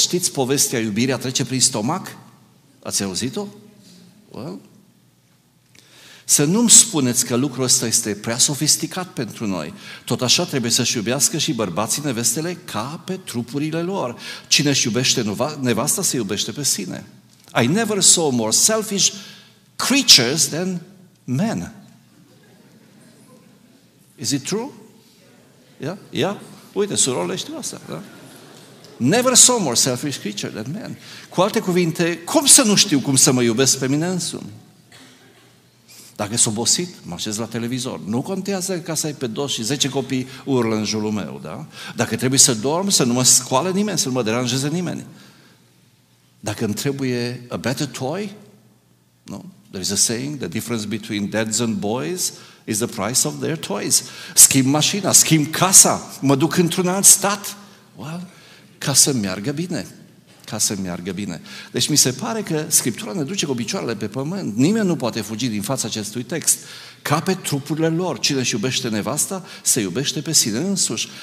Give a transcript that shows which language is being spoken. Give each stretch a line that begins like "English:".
Romanian: Știți povestea iubirii a trece prin stomac? Ați auzit-o?
English: Well.
Romanian: Să nu-mi spuneți că lucrul ăsta este prea sofisticat pentru noi. Tot așa trebuie să-și iubească și bărbații nevestele ca pe trupurile lor. Cine își iubește nevasta, se iubește pe sine.
English: I never saw more selfish creatures than men. Is it true? Yeah? Yeah?
Romanian: Uite, surorile știu asta, da?
English: Never saw more selfish creatures than men.
Romanian: Cu alte cuvinte, cum să nu știu cum să mă iubesc pe mine însumi? Dacă sunt obosit, mă așez la televizor. Nu contează că casa e pe dos și 10 copii urlă în jurul meu, da? Dacă trebuie să dorm, să nu mă scoală nimeni, să nu mă deranjeze nimeni. Dacă îmi trebuie
English: a better toy,
Romanian: no?
English: There is a saying, the difference between dads and boys is the price of their toys.
Romanian: Schimb mașina, schimb casa, mă duc într-un alt stat. Well, ca să meargă bine. Ca să meargă bine. Deci mi se pare că Scriptura ne duce cu picioarele pe pământ. Nimeni nu poate fugi din fața acestui text. Ca pe trupurile lor, cine își iubește nevasta, se iubește pe sine însuși.